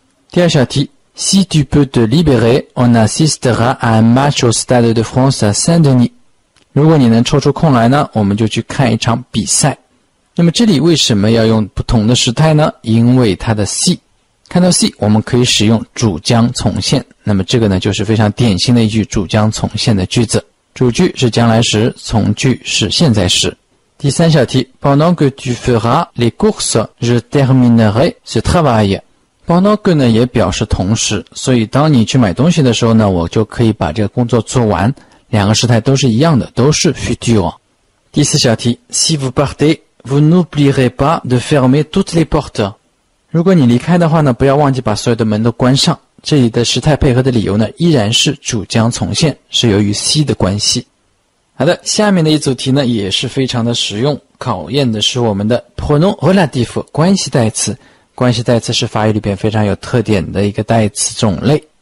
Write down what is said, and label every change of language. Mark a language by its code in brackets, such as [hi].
[zh] 第二小题， [fr] Si tu peux te libérer, on assistera à un match au Stade de France à Saint-Denis. [zh] 如果你能抽出空来呢，我们就去看一场比赛。那么这里为什么要用不同的时态呢？因为它的 C， 看到 C 我们可以使用主将从现，那么这个呢就是非常典型的一句主将从现的句子，主句是将来时，从句是现在时。第三小题， [fr] Pendant que tu feras les courses, je terminerai ce travail. [zh] Pendant que 呢也表示同时，所以当你去买东西的时候呢，我就可以把这个工作做完，两个时态都是一样的，都是 futur。第四小题， [fr] Si vous partezVous n'oublierez pas de fermer toutes les portes. [zh] 如果你离开的话呢，不要忘记把所有的门都关上。这里的时态配合的理由呢，依然是主将从现，是由于 C 的关系。好的，下面的一组题呢，也是非常的实用，考验的是我们的 pronom relatif 关系代词。关系代词是法语里边非常有特点的一个代词种类。